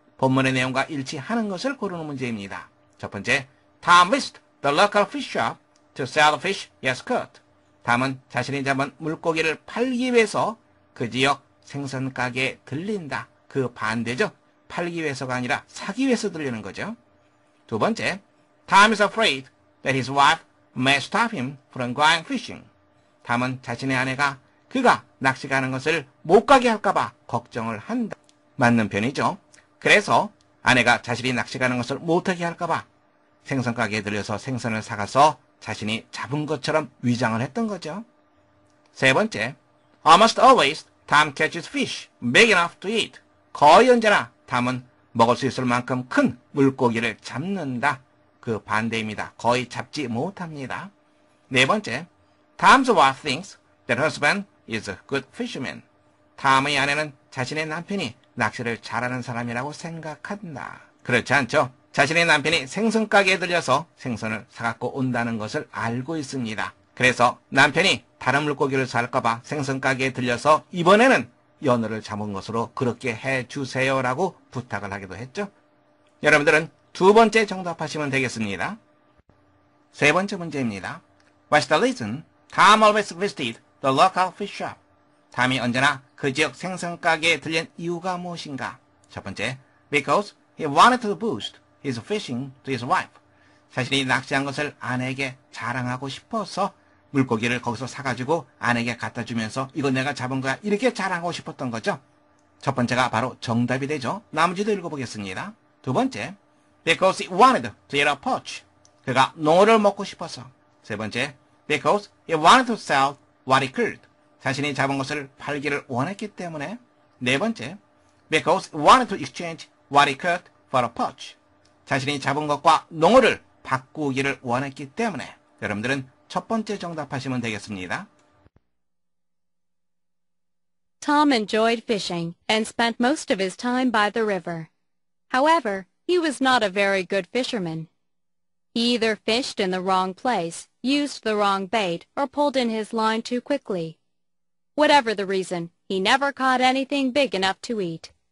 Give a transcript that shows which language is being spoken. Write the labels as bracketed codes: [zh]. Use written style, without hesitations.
[ko] 본문의 내용과 일치하는 것을 고르는 문제입니다. 첫 번째, [en] Tom visits the local fish shop to sell fish he has caught. [ko] 다음은 자신이 잡은 물고기를 팔기 위해서 그 지역 생선 가게에 들린다. 그 반대죠. 팔기 위해서가 아니라 사기 위해서 들리는 거죠. 두 번째, [en] Tom is afraid that his wife may stop him from going fishing. [ko] 다음은 자신의 아내가 그가 낚시 가는 것을 못 가게 할까봐 걱정을 한다. 맞는 편이죠. 그래서 아내가 자신이 낚시 가는 것을 못하게 할까봐 생선 가게에 들려서 생선을 사가서 자신이 잡은 것처럼 위장을 했던 거죠. 세 번째, [en] Almost always, Tom catches fish big enough to eat. [ko] 거의 언제나 Tom은 먹을 수 있을 만큼 큰 물고기를 잡는다. 그 반대입니다. 거의 잡지 못합니다. 네 번째, [en] Tom's wife thinks that husband is a good fisherman. [ko] Tom의 아내는 자신의 남편이 낚시를 잘하는 사람이라고 생각한다. 그렇지 않죠? 자신의 남편이 생선 가게에 들려서 생선을 사갖고 온다는 것을 알고 있습니다. 그래서 남편이 다른 물고기를 살까봐 생선 가게에 들려서 이번에는 연어를 잡은 것으로 그렇게 해주세요라고 부탁을 하기도 했죠. 여러분들은 두 번째 정답하시면 되겠습니다. 세 번째 문제입니다. [en] What's the reason Tom always visited the local fish shop? [ko] 탐이 언제나 그 지역 생선 가게에 들린 이유가 무엇인가? 첫 번째, [en] Because he wanted to boast his fishing to his wife. [ko] 자신이 낚시한 것을 아내에게 자랑하고 싶어서 물고기를 거기서 사가지고 아내에게 갖다 주면서 이거 내가 잡은 거야 이렇게 자랑하고 싶었던 거죠. 첫 번째가 바로 정답이 되죠. 나머지도 읽어보겠습니다. 두 번째, [en] Because he wanted to eat a perch. [ko] 그가 농어를 먹고 싶어서. 세 번째, [en] Because he wanted to sell what he could. [ko] 자신이 잡은 것을 팔기를 원했기 때문에. 네 번째, [en] Because he wanted to exchange what he could for a perch. [ko] 자신이 잡은 것과 농어를 바꾸기를 원했기 때문에. 여러분들은 첫 번째 정답하시면 되겠습니다. [en] Tom enjoyed fishing and spent most of his time by the river. However, he was not a very good fisherman. He either fished in the wrong place, used the wrong bait, or pulled in his line too quickly. Whatever the reason, he never caught anything big enough to eat.